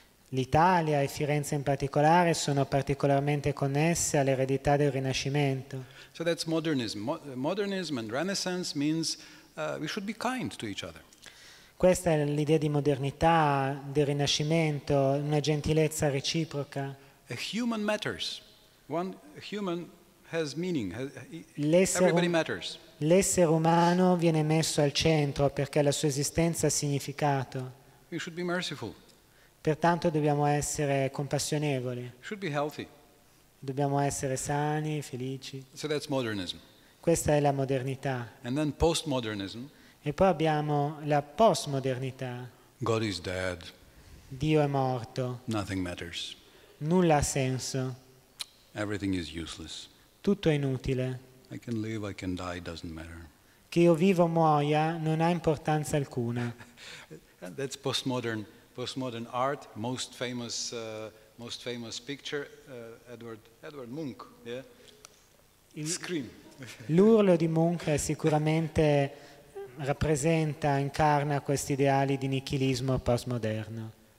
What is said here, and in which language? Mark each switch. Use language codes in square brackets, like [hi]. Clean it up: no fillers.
[it] L'Italia e Firenze in particolare sono particolarmente connesse all'eredità del Rinascimento. [en] So that's modernism. Modernism and Renaissance means we should be kind to each other. [it] Questa è l'idea di modernità del Rinascimento, una gentilezza reciproca. [en] A human matters. One human has meaning. Everybody matters. [it] L'essere umano viene messo al centro perché la sua esistenza ha significato. [en] We should be merciful. [it] Pertanto dobbiamo essere compassionevoli. [en] Should be healthy. [it] Dobbiamo essere sani, felici. [en] So that's modernism. [it] Questa è la modernità. [en] And then postmodernism. [it] E poi abbiamo la postmodernità. [en] God is dead. [it] Dio è morto. [en] Nothing matters. [it] Nulla ha senso. [en] Everything is useless. [it] Tutto è inutile. [en] I can live, I can die, doesn't matter. [it] Che io vivo o muoia non ha importanza alcuna. [en] That's postmodern art, most famous picture, Edward Munch, yeah. Scream. [it] L'urlo di Munch sicuramente rappresenta, incarna questi ideali di nichilismo postmoderno.